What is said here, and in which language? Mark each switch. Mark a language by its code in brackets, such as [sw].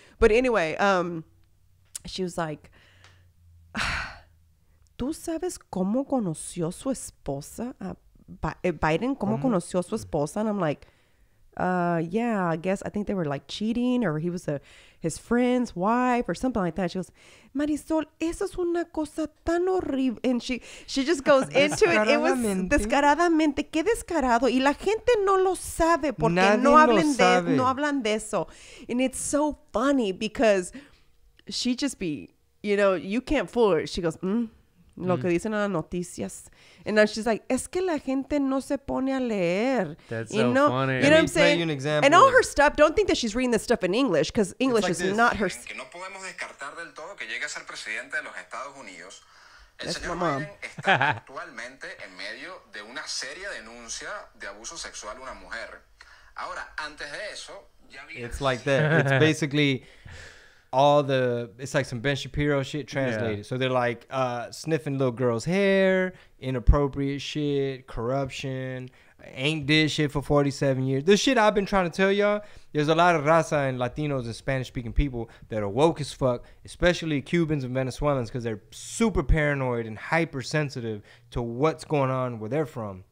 [en] But anyway, she was like, [es] ¿Tú sabes cómo conoció su esposa? Biden, ¿cómo conoció su esposa? [en] And I'm like, yeah, I guess I think they were like cheating, or he was his friend's wife or something like that. She goes, Marisol, [es] eso es una cosa tan horrible. [en] And she just goes into it. It was descaradamente. [es] Qué descarado. Y la gente no lo sabe porque no hablan de eso. [en] And it's so funny because she just be, you know, you can't fool her. She goes, [es] lo que dicen en las noticias. [en] And now she's like, [es] es que la gente no se pone a leer. [en] That's you so know? Funny. You know what I'm saying? Play you an example. And all her stuff, don't think that she's reading this stuff in English, because English like is this. Not her. [es] Que no podemos descartar del todo que llegue a ser presidente de los Estados Unidos. El [en] That's [es] señor [en] my mom. [es] Biden está actualmente en medio de una seria denuncia de abuso sexual a una mujer. Ahora, antes de eso, ya había... [en] It's like that. It's basically... All the, it's like some Ben Shapiro shit translated. Yeah. So they're like sniffing little girls' hair, inappropriate shit, corruption, ain't did shit for 47 years. The shit I've been trying to tell y'all, there's a lot of raza and Latinos and Spanish-speaking people that are woke as fuck, especially Cubans and Venezuelans, because they're super paranoid and hypersensitive to what's going on where they're from.